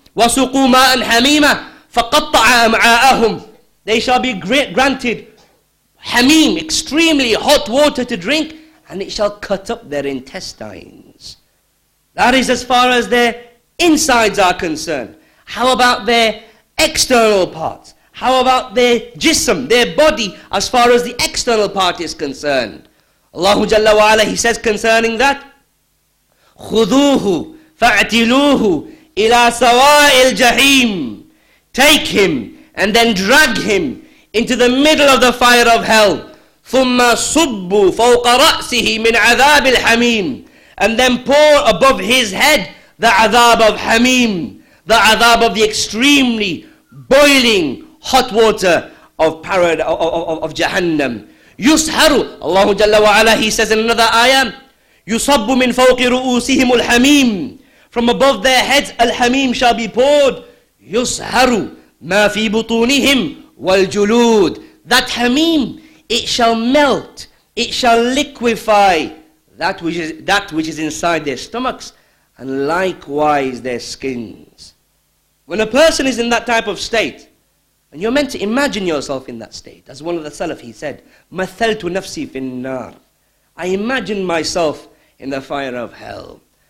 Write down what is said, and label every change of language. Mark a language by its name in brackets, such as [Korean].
[Arabic] وَسُقُوا مَاءً حَمِيمًا فَقَطَّعَ أَمْعَاءَهُمْ. [English] They shall be granted Hameem, extremely hot water to drink, and it shall cut up their intestines. That is as far as their insides are concerned. How about their external parts? How about their jism, their body, as far as the external part is concerned? Allahu Jalla wa Ala, He says concerning that, [Arabic] خُذُوهُ فَاعْتِلُوهُ إِلَىٰ سَوَاءِ الْجَحِيمِ. [English] Take him and then drag him into the middle of the fire of hell. [Arabic] ثُمَّ صُبُّ فَوْقَ رَأْسِهِ مِنْ عَذَابِ الْحَمِيمِ. [English] And then pour above his head the azab of hameem, the azab of the extremely boiling hot water of paradise, of Jahannam. [Arabic] يُسْحَرُ. [English] Allah Jalla wa Ala, He says in another ayah, [Arabic] يُصَبُّ مِنْ فَوْقِ رُؤُوسِهِمُ الْحَمِيمِ. [English] From above their heads, al-hameem shall be poured. [Arabic] يُسْحَرُ مَا فِي بُطُونِهِمْ والجلود. [English] That hameem, it shall melt, it shall liquefy that which is inside their stomachs, and likewise their skins. When a person is in that type of state, and you're meant to imagine yourself in that state, as one of the Salaf, he said, [Arabic] مَثَلْتُ نَفْسِي فِي النَّارِ. [English] I imagine myself in the fire of hell.